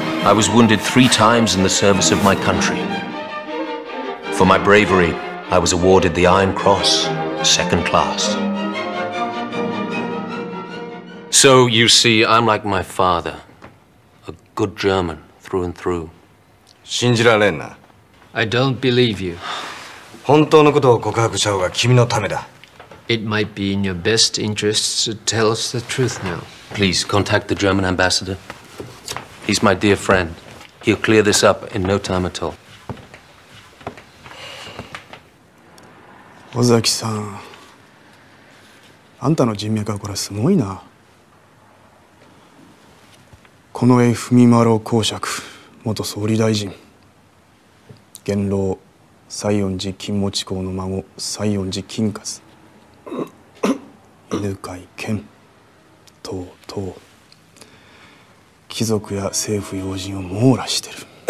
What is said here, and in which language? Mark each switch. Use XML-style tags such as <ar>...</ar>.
<en>I was wounded 3 times in the service of my country. For my bravery, I was awarded the Iron Cross, second class. So, you see, I'm like my father, a good German through and through.</en> <ja>信じられんな?</ja> <en>I don't believe you.</en> <ja>本当のことを告白した方が君のためだ。</ja> <en>It might be in your best interests to tell us the truth now. Please, contact the German ambassador. He's my dear friend. He'll clear this up in no time at all.</en> <ja>尾崎さん、 あんたの人脈はこれすごいな。近衛文麿公爵、元総理大臣、 元老西園寺金持公の孫西園寺金轄、 犬飼健等々、 貴族や政府要人を網羅してる。</ja>